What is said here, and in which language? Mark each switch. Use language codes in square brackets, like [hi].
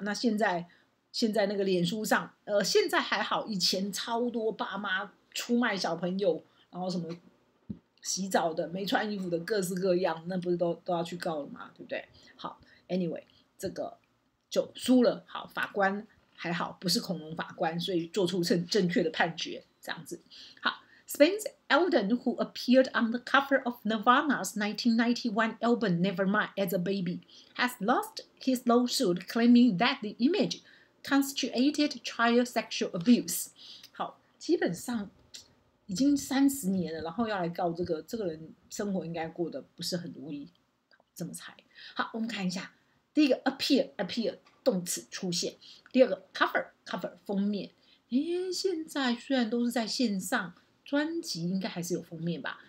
[zh] 那现在那个脸书上，现在还好，以前超多爸妈出卖小朋友，然后什么洗澡的、没穿衣服的，各式各样，那不是都要去告了吗？对不对？好 ，anyway， 这个就输了。好，法官还好不是恐龙法官，所以做出正确的判决，这样子。好。 [en] Spence Elden, who appeared on the cover of Nirvana's 1991 album Nevermind as a baby, has lost his lawsuit claiming that the image constituted child sexual abuse. [zh] 好，基本上已经三十年了，然后要来告这个人，生活应该过得不是很如意。好，这么猜。好，我们看一下，第一个 appear 动词出现，第二个 cover 封面。现在虽然都是在线上。专辑应该还是有封面吧。